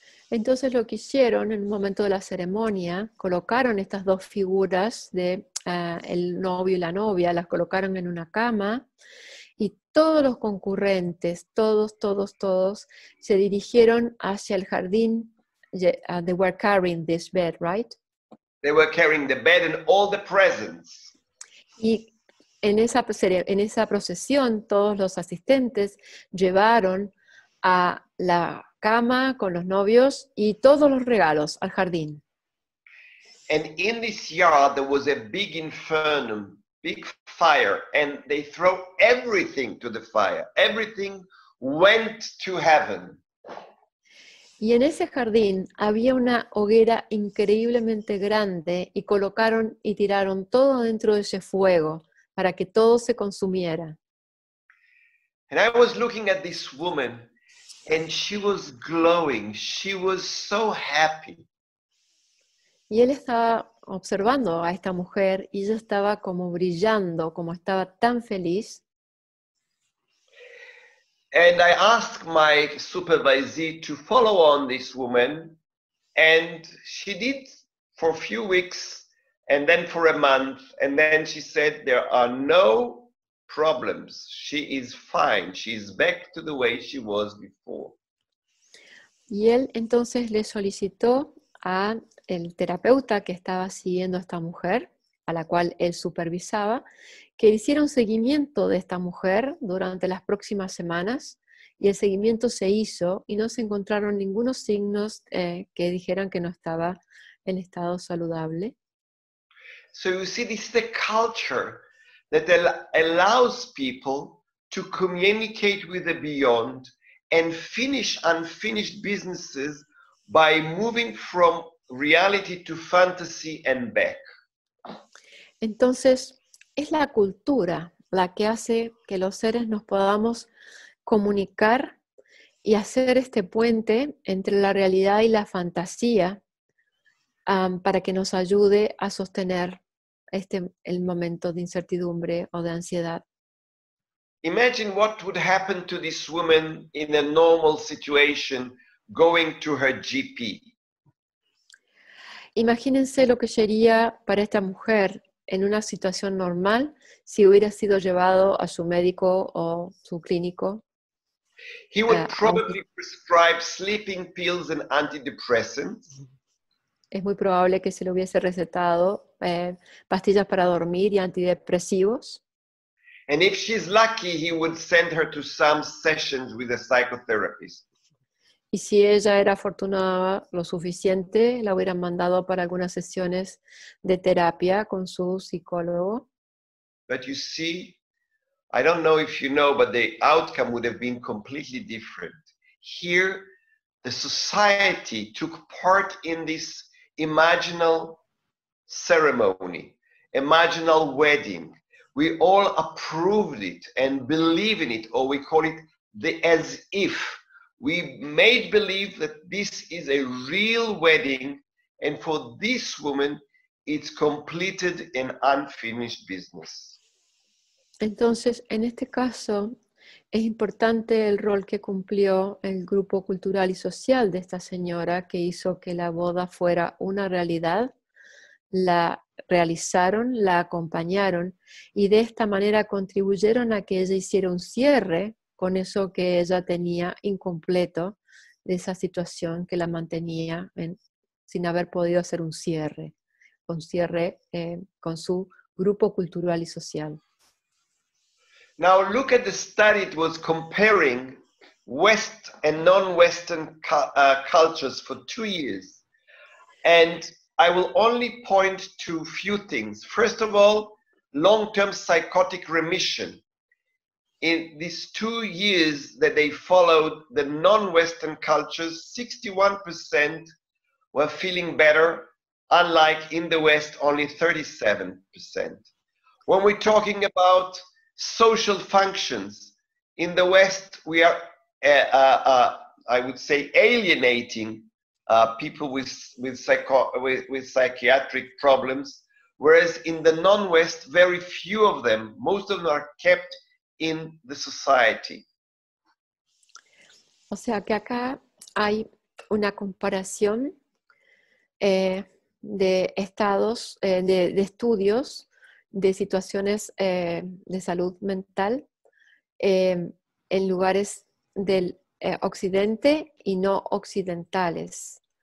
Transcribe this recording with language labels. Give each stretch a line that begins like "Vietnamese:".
Spanish: Entonces lo que hicieron en un momento de la ceremonia, colocaron estas dos figuras de el novio y la novia, las colocaron en una cama, y todos los concurrentes, todos, se dirigieron hacia el jardín.
English: They were carrying this bed, right? They were carrying the bed and all the presents.
Spanish: Y en esa procesión, todos los asistentes llevaron a la cama con los novios y todos los regalos al jardín.
English: And in this yard there was a big inferno, big fire, and they threw everything to the fire. Everything went to heaven.
Spanish: Y en ese jardín había una hoguera increíblemente grande y colocaron y tiraron todo dentro de ese fuego para que todo se consumiera.
English: And I was looking at this woman. And she was glowing. She was so happy.
Spanish: Y él estaba observando a esta mujer y ella estaba como brillando, como estaba tan feliz.
English: And I asked my supervisee to follow on this woman, and she did for a few weeks, and then for a month, and then she said there are no problems. She is fine. She is back to the way she was before.
Spanish: Y él entonces le solicitó a el terapeuta que estaba siguiendo a esta mujer, a la cual él supervisaba, que hiciera un seguimiento de esta mujer durante las próximas semanas, y el seguimiento se hizo y no se encontraron ningunos signos que dijeran que no estaba en estado saludable.
English: So you see, this is the culture that allows people to communicate with the beyond and finish unfinished businesses by moving from reality to fantasy and back.
Spanish: Entonces, es la cultura la que hace que los seres nos podamos comunicar y hacer este puente entre la realidad y la fantasía, para que nos ayude a sostener este, el momento de incertidumbre o de ansiedad.
English: Imagine what would happen to this woman in a normal situation going to her GP.
Spanish: Imagínense lo que sería para esta mujer en una situación normal si hubiera sido llevado a su médico o su clínico.
English: He would probably prescribe sleeping pills and antidepressants.
Spanish: Es muy probable que se le hubiese recetado pastillas para dormir y antidepresivos.
English: And if she's lucky, he would send her to some sessions with a psychotherapist.
Spanish: Y si ella era afortunada lo suficiente, la hubieran mandado para algunas sesiones de terapia con su psicólogo.
English: But you see, I don't know if you know, but the outcome would have been completely different. Here, the society took part in this imaginal ceremony, imaginal wedding. We all approved it and believe in it, or we call it the as if. We made believe that this is a real wedding, and for this woman, it's completed an unfinished business.
Spanish: Entonces, en este caso, es importante el rol que cumplió el grupo cultural y social de esta señora que hizo que la boda fuera una realidad. La realizaron, la acompañaron, y de esta manera contribuyeron a que ella hiciera un cierre con eso que ella tenía incompleto de esa situación que la mantenía en, sin haber podido hacer un cierre, con su grupo cultural y social.
English: Now look at the study it was comparing West and non-Western cultures for 2 years. And I will only point to a few things. First of all, long-term psychotic remission. In these 2 years that they followed the non-Western cultures, 61% were feeling better, unlike in the West, only 37%. When we're talking about social functions, in the West, we are, I would say, alienating people with psychiatric problems, whereas in the non-West, very few of them, most of them are kept in the society.
Spanish: O sea que acá hay una comparación de estados, de estudios, de situaciones de salud mental en lugares del occidente y no occidentales.